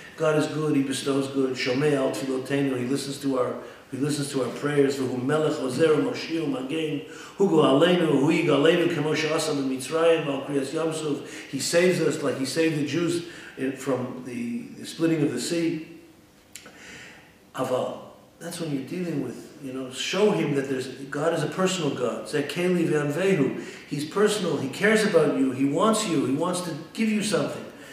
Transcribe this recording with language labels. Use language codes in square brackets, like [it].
[en] God is good, he bestows good. [he] שומע על תפילותינו, [en] he listens to our prayers. [he] והוא מלך עוזר ומושיע ומגן. הוא גואלנו, הוא יגאלנו כמו שעשה במצרים על קריאת ים סוף. [en] He saves us like he saved the Jews from the splitting of the sea. Aval, that's when you're dealing with, you know, show him that God is a personal God. Zekeli ve'anvehu. He's personal, he cares about you, he wants to give you something.